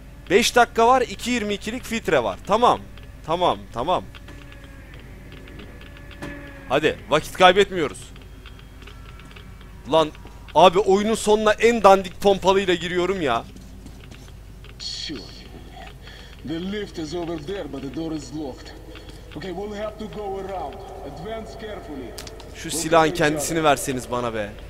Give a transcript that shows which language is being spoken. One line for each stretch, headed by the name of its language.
Turkish: 5 dakika var, 2-22'lik filtre var. Tamam. Tamam. Hadi vakit kaybetmiyoruz. Lan abi oyunun sonuna en dandik pompalıyla giriyorum ya.
English: The lift is over there but the door is locked. Okay, we'll have to go around. Advance carefully.
Turkish: Şu silahın kendisini verseniz bana be.